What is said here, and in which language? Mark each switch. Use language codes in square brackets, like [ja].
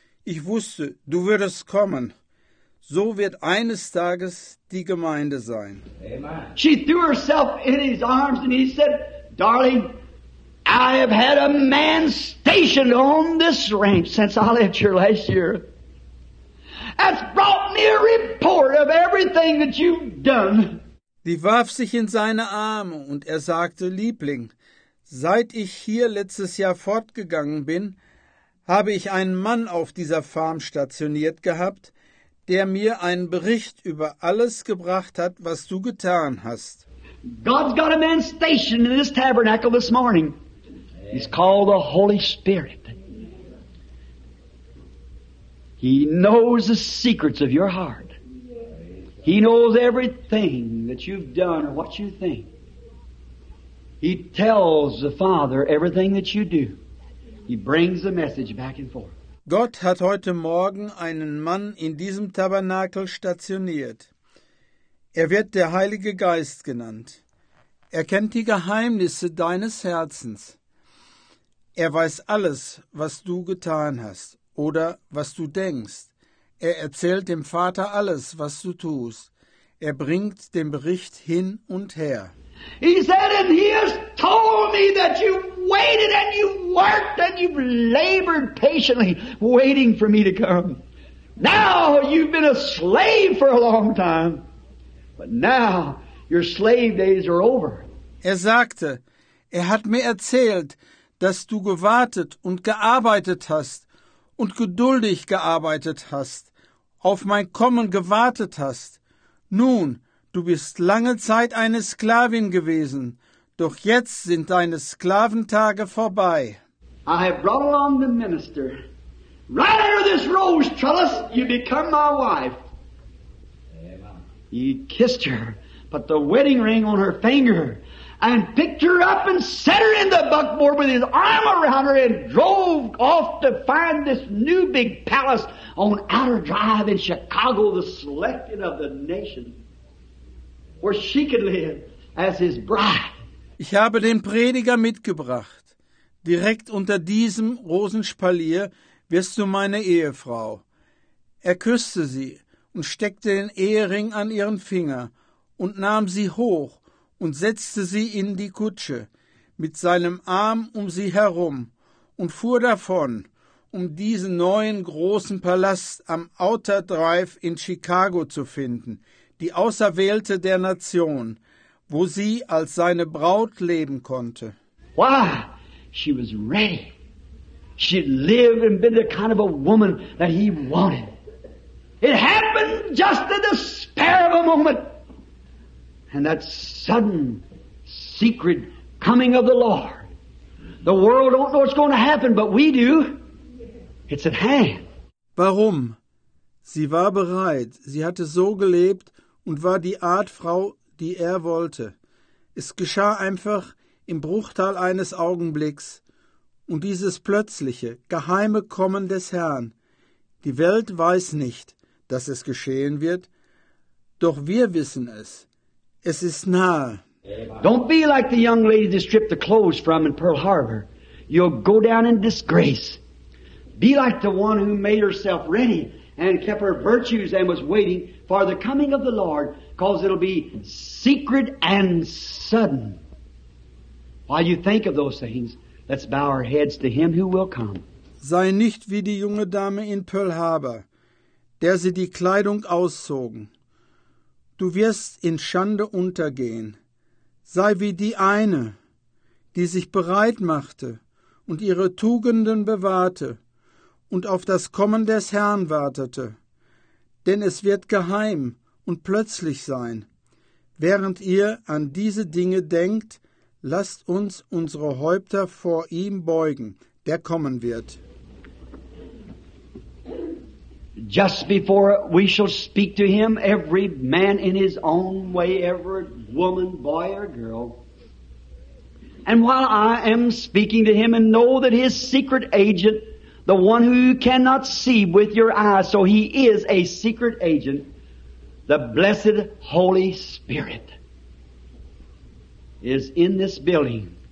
[de] Ich wusste, du würdest kommen. So wird eines Tages die Gemeinde sein. Amen. [en] She threw herself in his arms and he said, darling, I have had a man stationed on this ranch since I left here last year. That's brought me a report of everything that you've done. [de] Die warf sich in seine Arme und er sagte, Liebling, seit ich hier letztes Jahr fortgegangen bin, habe ich einen Mann auf dieser Farm stationiert gehabt, der mir einen Bericht über alles gebracht hat, was du getan hast. [en] God's got a man stationed in this tabernacle this morning. He's called the Holy Spirit. He knows the secrets of your heart. He knows everything that you've done or what you think. He tells the Father everything that you do. He brings the message back and forth. [de] Gott hat heute Morgen einen Mann in diesem Tabernakel stationiert. Er wird der Heilige Geist genannt. Er kennt die Geheimnisse deines Herzens. Er weiß alles, was du getan hast oder was du denkst. Er erzählt dem Vater alles, was du tust. Er bringt den Bericht hin und her. [en] He said, and he has told me that you waited and you worked and you labored patiently waiting for me to come. Now you've been a slave for a long time, but now your slave days are over. [de] Er sagte, er hat mir erzählt, dass du gewartet und gearbeitet hast und geduldig gearbeitet hast, auf mein Kommen gewartet hast. Nun, du bist lange Zeit eine Sklavin gewesen, doch jetzt sind deine Sklaventage vorbei. [en] I have brought along the minister. Right under this rose trellis, you become my wife. He kissed her, put the wedding ring on her finger, and picked her up and set her in the buckboard with his arm around her and drove off to find this new big palace on Outer Drive in Chicago, the selected of the nation. Where she could live as his bride. [de] Ich habe den Prediger mitgebracht. Direkt unter diesem Rosenspalier wirst du meine Ehefrau. Er küsste sie und steckte den Ehering an ihren Finger und nahm sie hoch und setzte sie in die Kutsche mit seinem Arm um sie herum und fuhr davon, um diesen neuen großen Palast am Outer Drive in Chicago zu finden, die Auserwählte der Nation, wo sie als seine Braut leben konnte. [en] Why? She was ready. She lived and been the kind of a woman that he wanted. It happened just in the spur of a moment. And that sudden, secret coming of the Lord. The world don't know what's going to happen, but we do. It's at hand. [de] Warum? Sie war bereit. Sie hatte so gelebt und war die Art Frau, die er wollte. Es geschah einfach im Bruchteil eines Augenblicks. Und dieses plötzliche, geheime Kommen des Herrn. Die Welt weiß nicht, dass es geschehen wird. Doch wir wissen es. Es ist nahe. [en] Don't be like the young lady that stripped the clothes from in Pearl Harbor. You'll go down in disgrace. Be like the one who made herself ready and kept her virtues and was waiting for the coming of the Lord, because it'll be secret and sudden. While you think of those things, let's bow our heads to him who will come. [de] Sei nicht wie die junge Dame in Pearl Harbor, der sie die Kleidung auszogen. Du wirst in Schande untergehen. Sei wie die eine, die sich bereit machte und ihre Tugenden bewahrte und auf das Kommen des Herrn wartete. Denn es wird geheim und plötzlich sein. Während ihr an diese Dinge denkt, lasst uns unsere Häupter vor ihm beugen, der kommen wird. [en] Just before we shall speak to him, every man in his own way, every woman, boy or girl. And while I am speaking to him and know that his secret agent, the one who you cannot see with your eyes, so he is a secret agent, the blessed Holy Spirit is in this building.